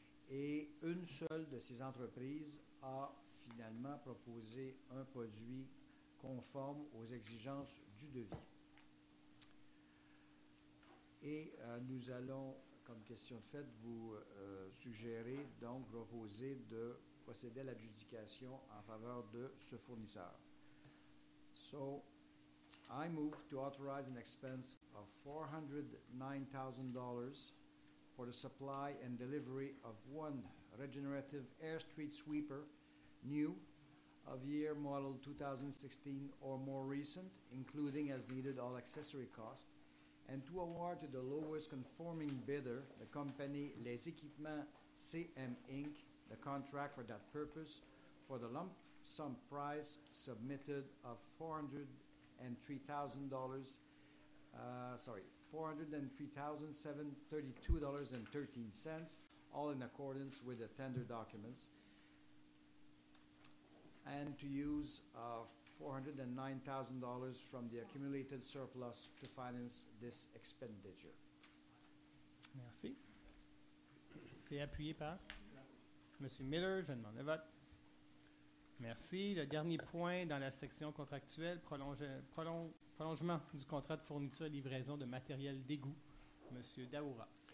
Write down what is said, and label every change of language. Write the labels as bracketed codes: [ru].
[fr] Et une seule de ces entreprises a finalement proposé un produit conforme aux exigences du devis. Et nous allons, comme question de fait, vous suggérer, donc proposer de procéder à l'adjudication en faveur de ce fournisseur. [en] So, I move to authorize an expense of $409,000 for the supply and delivery of one regenerative air street sweeper, new, of year model 2016 or more recent, including as needed all accessory costs, and to award to the lowest conforming bidder, the company Les Equipements CM Inc., the contract for that purpose, for the lump sum price submitted of $403,732.13, all in accordance with the tender documents, and to use $409,000 from the accumulated surplus to finance this expenditure. [fr] Merci. C'est appuyé par Monsieur Miller, je demande le vote. Merci. Le dernier point dans la section contractuelle, prolongement du contrat de fourniture et livraison de matériel d'égout. Monsieur Daoura.